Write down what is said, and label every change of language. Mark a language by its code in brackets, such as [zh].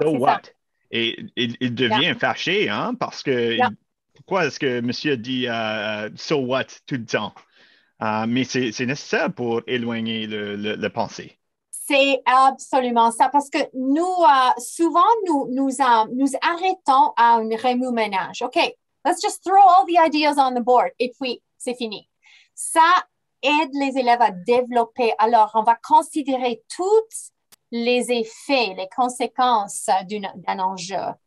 [en] So what? [fr] Et il devient fâché, hein, parce que. Pourquoi est-ce que monsieur dit « [en] so what [fr] » tout le temps? Mais c'est nécessaire pour éloigner la pensée. C'est absolument ça. Parce que nous, souvent, nous arrêtons à un remue-ménage. [en] OK, let's just throw all the ideas on the board. [fr] Et puis, c'est fini. Ça aide les élèves à développer. Alors, on va considérer tous les effets, les conséquences d'un enjeu.